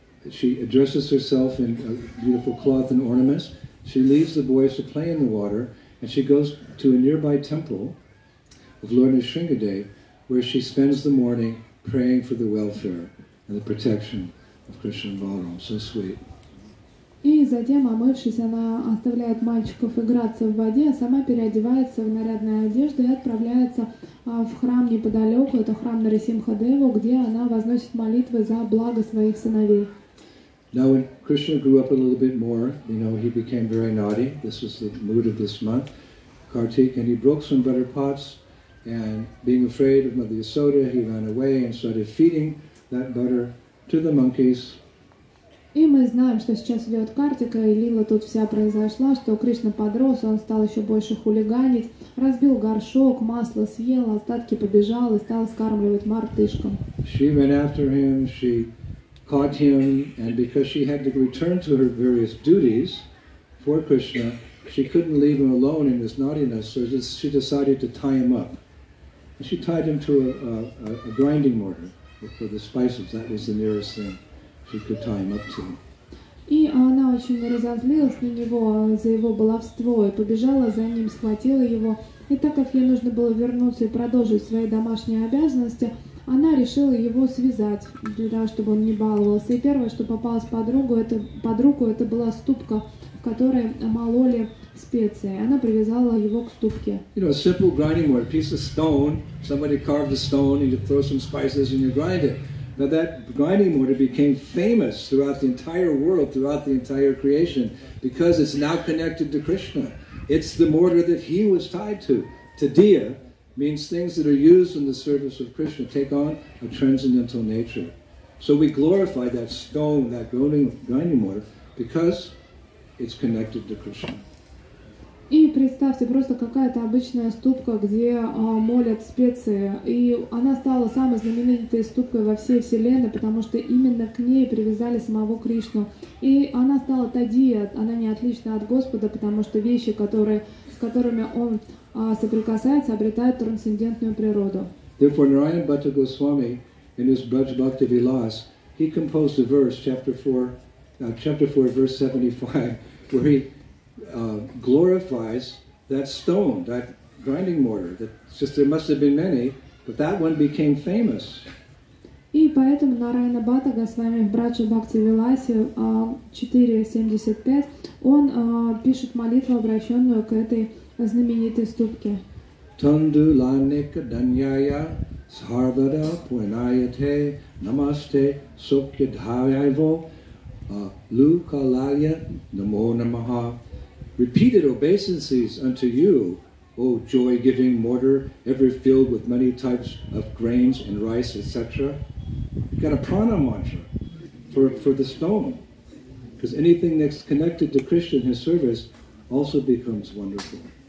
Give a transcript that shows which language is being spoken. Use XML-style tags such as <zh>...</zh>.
<en>She dresses herself in a beautiful cloth and ornaments. She leaves the boys to play in the water, and she goes to a nearby temple of Lord Nrisingadev, where she spends the morning praying for the welfare and the protection of Krishna and Balaram. So sweet.</en> <ru>И затем, омывшись, она оставляет мальчиков играться в воде, а сама переодевается в нарядные одежды и отправляется в храм неподалеку, это храм Нарисимхадеву, где она возносит молитвы за благо своих сыновей.</ru> <en>Now when Krishna grew up a little bit more, you know, he became very naughty. This was the mood of this month, Kartik, and he broke some butter pots, and being afraid of Mother Yasoda, he ran away and started feeding that butter to the monkeys.</en> <ru>И мы знаем, что сейчас идет Картика, и Лила тут вся произошла, что Кришна подрос, он стал еще больше хулиганить, разбил горшок, масло съел, остатки побежал и стал скармливать мартышкам.</ru> <en>She ran after him, she caught him, and because she had to return to her various duties for Krishna, she couldn't leave him alone in his naughtiness, so she decided to tie him up. And she tied him to a grinding mortar for the spices, that was the nearest thing. She could tie him up to him.</en> <ru>И она очень разозлилась на него за его баловство и побежала за ним, схватила его. И так как ей нужно было вернуться и продолжить свои домашние обязанности, она решила его связать, для того, чтобы он не баловался. И первое, что попалось под руку, это была ступка, в которой мололи специи. Она привязала его к ступке.</ru> <en>You know, a simple grinding mortar, piece of stone. Somebody carved a stone, and you throw some spices, and you grind it. Now that grinding mortar became famous throughout the entire world, throughout the entire creation, because it's now connected to Krishna. It's the mortar that he was tied to. Tadiya means things that are used in the service of Krishna take on a transcendental nature. So we glorify that stone, that grinding mortar, because it's connected to Krishna.</en> <ru>И представьте, просто какая-то обычная ступка, где молят специи. И она стала самой знаменитой ступкой во всей вселенной, потому что именно к ней привязали самого Кришну. И она стала тадия, она не отлична от Господа, потому что вещи, с которыми он соприкасается, обретают трансцендентную природу.</ru> <en>Therefore, Narayan Bhatta Goswami, in his Braj Bhakti Vilas, he composed a verse, chapter 4, verse 75, where he glorifies that stone, that grinding mortar. It's just there must have been many, but that one became famous.</en> <ru>И поэтому Нараяна Бхатта Госвами в Брадже Бхакти Виласе 4.75 он пишет молитву, обращенную к этой знаменитой ступке.</ru> <sa>Тандуланика даньяя сарвада пуэнаяте намасте сокья дхавяйво лукалая намо намаха.</sa> <en>Repeated obeisances unto you, O joy-giving mortar, ever filled with many types of grains and rice, etc. You've got a prana mantra for the stone. Because anything that's connected to Krishna and his service also becomes wonderful.</en>